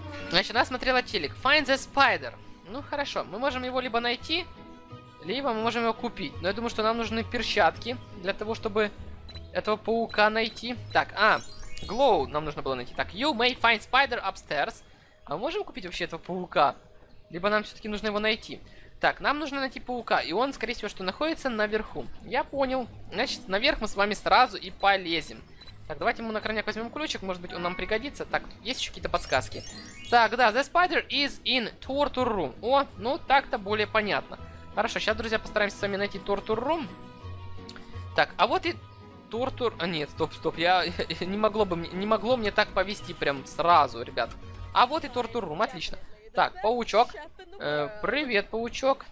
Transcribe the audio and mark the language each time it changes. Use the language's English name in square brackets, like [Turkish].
[Russian] Значит, она смотрела телек. [English] Find the spider. [Russian] Ну, хорошо, мы можем его либо найти, либо мы можем его купить. Но я думаю, что нам нужны перчатки для того, чтобы этого паука найти. Так, а, glow нам нужно было найти. Так, [English] you may find spider upstairs. [Russian] А мы можем купить вообще этого паука? Либо нам все-таки нужно его найти. Так, нам нужно найти паука, и он, скорее всего, что находится наверху. Я понял. Значит, наверх мы с вами сразу и полезем. Так, давайте мы на крайняк возьмем ключик, может быть, он нам пригодится. Так, есть еще какие-то подсказки? Так, да, [English] the spider is in torture room. [Russian] О, ну так-то более понятно. Хорошо, сейчас, друзья, постараемся с вами найти torture room. Так, а вот и torture... А, нет, стоп-стоп, я не могло мне так повести прям сразу, ребят. А вот и torture room, отлично. Так, паучок. Привет, паучок.